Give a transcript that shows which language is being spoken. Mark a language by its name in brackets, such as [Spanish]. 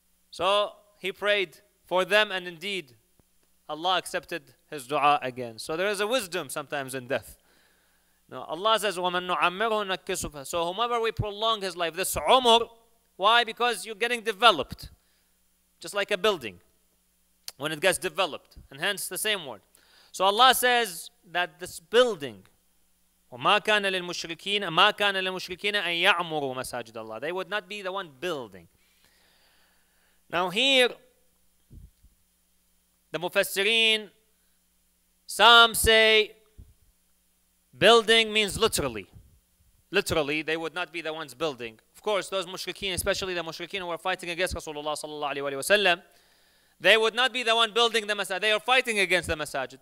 [English] So he prayed for them and indeed Allah accepted his dua again. So there is a wisdom sometimes in death. Now Allah says, [Arabic] وَمَن نُعَمِّرُهُ نَكِّسُهُ. [English] So whomever we prolong his life, this umr, why? Because you're getting developed, just like a building. When it gets developed, and hence the same word. So Allah says that this building, [Arabic] وَمَا كَانَ لِلْمُشْرِكِينَ أَن يَعْمُرُوا مَسَاجِدَ اللَّهِ. [English] They would not be the one building. Now here, the Mufassirin, some say building means literally. Literally, they would not be the ones building. Of course, those mushrikeen, especially the mushrikeen who were fighting against Rasulullah sallallahu alayhi wa sallam, they would not be the one building the masajid. They are fighting against the masajid.